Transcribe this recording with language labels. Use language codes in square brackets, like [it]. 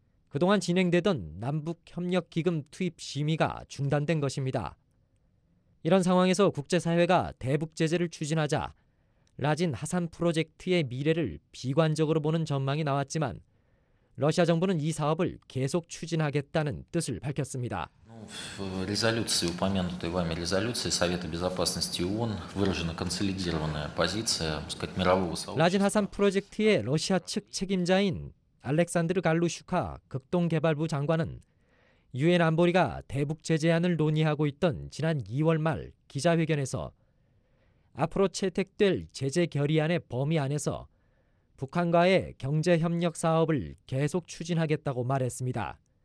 [ko] 그동안 진행되던 남북협력기금 투입 심의가 중단된 것입니다. 이런 상황에서 국제사회가 대북 제재를 추진하자 라진 하산 프로젝트의 미래를 비관적으로 보는 전망이 나왔지만 러시아 정부는 이 사업을 계속 추진하겠다는 뜻을 밝혔습니다. [ru] Резолюции, упомянутой вами резолюции Совета Безопасности ООН, выражена консолидированная позиция, сказать, мирового сообщества. [ko] 라진 하산 프로젝트의 러시아 측 책임자인 알렉산드르 갈루슈카 극동개발부 장관은 유엔 안보리가 대북 제재안을 논의하고 있던 지난 2월 말 기자회견에서 앞으로 채택될 제재 결의안의 범위 안에서 북한과의 경제 협력 사업을 계속 추진하겠다고 말했습니다.